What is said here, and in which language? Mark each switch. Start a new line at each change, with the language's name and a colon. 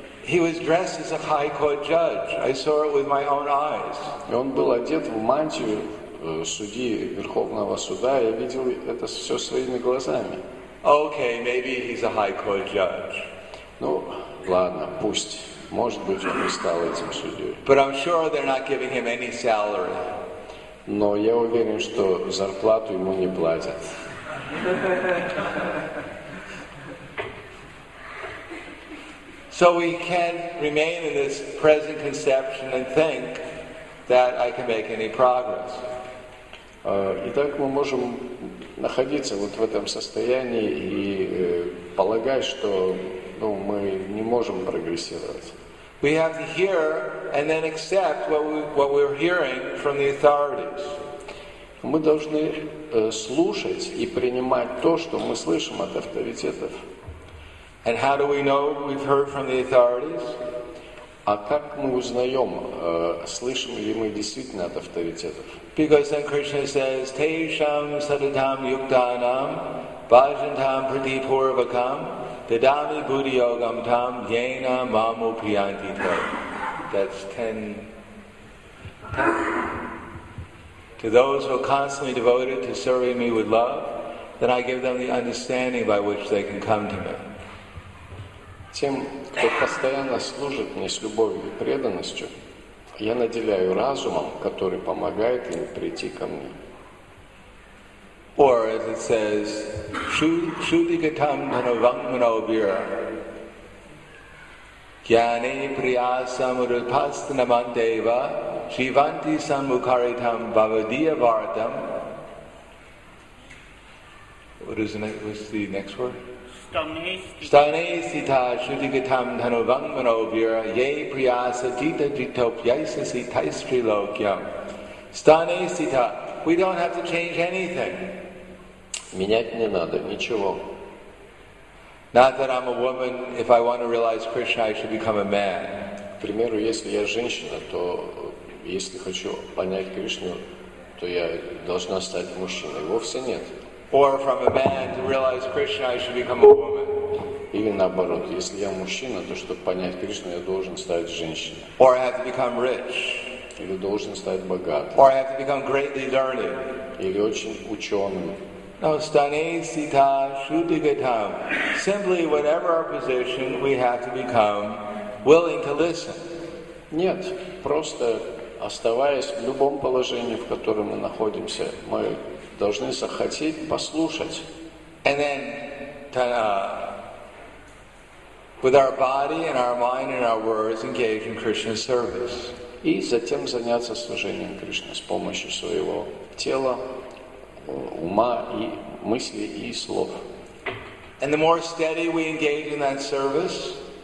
English: He was dressed as a high court judge. I saw it with my own eyes.
Russian: И он был одет в мантию судьи Верховного суда. Я видел это все своими глазами.
English: Okay, maybe he's a high court judge.
Russian: Ну, ладно, пусть, может быть, он не стал этим судьей.
English: But I'm sure they're not giving him any salary.
Russian: Но я уверен, что зарплату ему не платят.
English: So we can remain in this present conception and think that I can make any progress.
Russian: Итак, мы можем находиться вот в этом состоянии и полагать, что ну, мы не можем прогрессировать.
English: We have to hear and then accept what we're hearing from the authorities.
Russian: Мы должны слушать и принимать то, что мы слышим от авторитетов.
English: And how do we know we've heard from the authorities?
Russian: А как мы узнаем, слышим ли мы действительно от авторитетов?
English: Because then Krishna says,
Sanskrit: Tesham Sadatam Yuktanam, Bhajantam Pratipurvakam, Dadami Buddhiyogam Tam, Yena Mamu Piyanti Tam.
English: That's 10. To those who are constantly devoted to serving me with love, then I give them the understanding by which they can come to me.
Russian: Тем, кто постоянно служит мне с любовью и преданностью, я наделяю разумом, который помогает им прийти ко мне.
Sanskrit: Or as it says, Shudigatam Tanavangmanobhira Jnane Priyasamurupastanamandeva Shivanti Sammukaritam Bhavadiyavartam.
English: What's the next word?
Sanskrit: Stanesita Shudigatam Tanavangmanobhira Ye Priyasatita Jitopyaisasi Taistrilokyam.
English: Stanesita, we don't have to change anything.
Russian: Менять не надо, ничего.
English: Not that I'm a woman, if I want to realize Krishna, I should become a man.
Russian: К примеру, если я женщина, то если хочу понять Кришну, то я должна стать мужчиной. Вовсе нет.
English: Or from a man to realize Krishna, I should become a woman.
Russian: Или наоборот, если я мужчина, то чтобы понять Кришну, я должен стать женщиной.
English: Or I have to become rich.
Russian: Или должен стать богатым.
English: Or I have to become greatly learned.
Russian: Или очень ученым.
English: No,
Sanskrit: stanesita shudigatam.
English: Simply, whatever our position, we have to become willing to listen.
Russian: Нет, просто оставаясь в любом положении, в котором мы находимся, мы должны захотеть послушать.
English: And then, with our body and our mind and our words, engage in Krishna service.
Russian: И затем заняться служением Кришне с помощью своего тела, ума и мысли и слов.
English: And the more steady we engage in that service,